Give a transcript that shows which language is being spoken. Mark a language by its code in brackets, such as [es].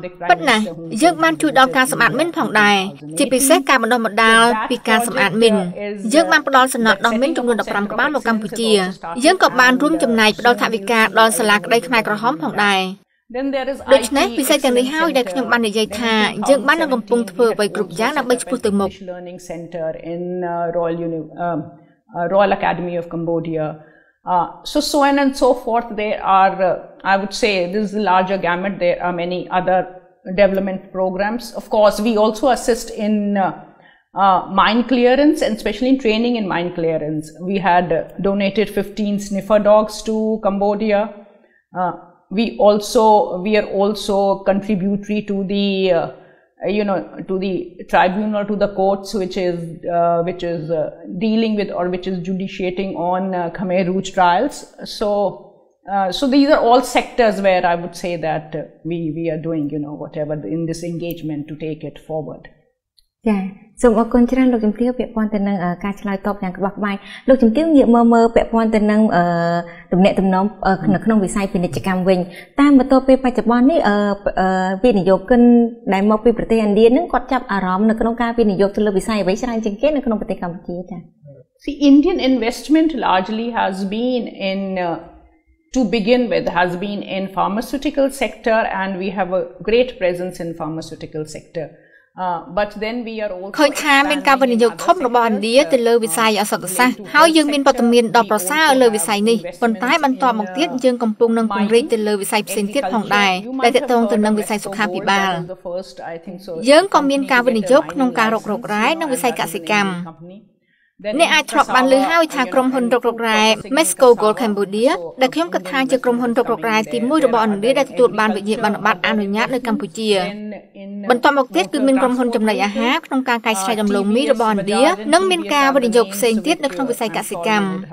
[km] ប៉ុន្តែយើងបានជួយដល់ការសម្អាតមីនផងដែរជាពិសេសការបណ្ដុះបណ្ដាលពីការសម្អាតមីនយើងបានផ្ដល់សំណត់ដល់មីនចំនួន15ក្បាលមកកម្ពុជាយើងក៏បានរួមចំណែកផ្ដល់ថវិកាដល់សាលាក្ដីខ្មែរក្រហមផងដែរដូច្នេះពិសេសទាំងនេះហើយដែលខ្ញុំបាននិយាយថាយើងបាននឹងកំពុងធ្វើអ្វីគ្រប់យ៉ាងដើម្បីឆ្ពោះទៅមុខ [en] Royal Academy of Cambodia so on and so forth there are I would say this is a larger gamut there are many other development programs of course we also assist in mine clearance and especially in training in mine clearance we had donated 15 sniffer dogs to Cambodia we are also contributory to the you know, to the tribunal, to the courts, which is judiciating on Khmer Rouge trials. So these are all sectors where I would say that we are doing, you know, whatever in this engagement to take it forward. Yeah. [km] សូមអរគុណច្រើនលោកជំទាវពាក់ព័ន្ធទៅនឹងការឆ្លើយតបយ៉ាងក្បោះក្បាយលោកជំទាវងាកមើលពាក់ព័ន្ធទៅនឹងទំនាក់ទំនងនៅក្នុងវិស័យពាណិជ្ជកម្មវិញតាមបន្ទាប់ពេលបច្ចុប្បន្ននេះវិនិយោគិនដែលមកពីប្រទេសឥណ្ឌានឹងគាត់ចាប់អារម្មណ៍នៅក្នុងការវិនិយោគទៅលើវិស័យអ្វីច្រើនជាងគេនៅក្នុងប្រទេសកម្ពុជាចា [en] See Indian investment largely has been in to begin with has been in pharmaceutical sector and we have a great presence in pharmaceutical sector. But then we are also [km] ឃើញថាមានការវិនិយោគធំរបស់ឥណ្ឌាទៅលើវិស័យឱសថសាស្ត្រហើយយើងមានវត្តមានដ៏ប្រសើរលើវិស័យនេះប៉ុន្តែបន្តមកទៀតយើងកំពុងនឹងពង្រីកទៅលើវិស័យផ្សេងទៀតផងដែរដែលទាក់ទងទៅនឹងវិស័យសុខាភិបាល យើងក៏មានការវិនិយោគក្នុងការរករ៉ែនិងវិស័យកសិកម្មអ្នកអាចធ្លាប់បានឮហើយថាក្រុមហ៊ុនរករ៉ែ Mesco Gold Cambodia ដែលខ្ញុំគិតថាជាក្រុមហ៊ុនរករ៉ែទី1របស់ឥណ្ឌាដែលទទួលបានវិញ្ញាបនបត្រអនុញ្ញាតនៅកម្ពុជាបន្តមកទៀតគឺមានក្រុមហ៊ុនចំណីអាហារក្នុងការកែច្នៃដំឡូងមីរបស់ឥណ្ឌានិងមានការវិនិយោគផ្សេងទៀតនៅក្នុងវិស័យកសិកម្ម